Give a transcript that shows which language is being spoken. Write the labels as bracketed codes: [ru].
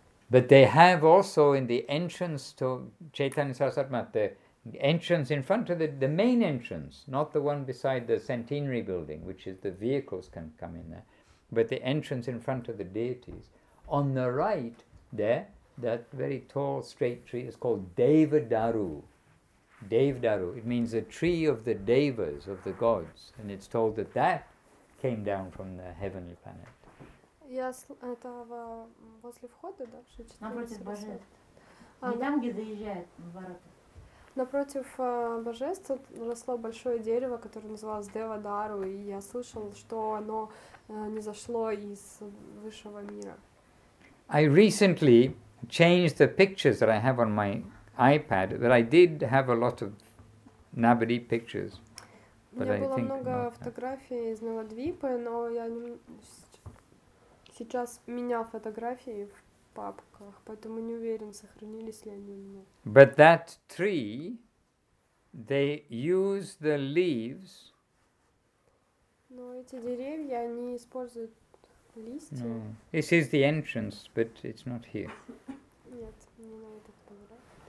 [en] But they have also in the entrance to Chaitanya Sarasvati, the entrance in front of the main entrance, not the one beside the centenary building, which is the vehicles can come in there, but the entrance in front of the deities. On the right there, that very tall straight tree is called Devadaru. Devadaru, it means a tree of the devas, of the gods, and it's told that that came down from the heavenly planet. [ru] Я этого возле входа, да, что читать? Напротив божеств. А, не там, где заезжает в ворота. Напротив божеств росло большое дерево, которое называлось Девадару, и я слышал, что оно не зашло из высшего мира. [en] I recently changed the pictures that I have on my iPad, but I did have a lot of Navadi pictures. [ru] У меня было много фотографий из Навадвипы, но я не сейчас менял фотографии в папках, поэтому не уверен, сохранились ли они у меня. [en] But that tree, they use the leaves. [ru] Но эти деревья, они используют листья. [en] No. This is the entrance, but it's not here. [ru] Нет, не на этот фотографии.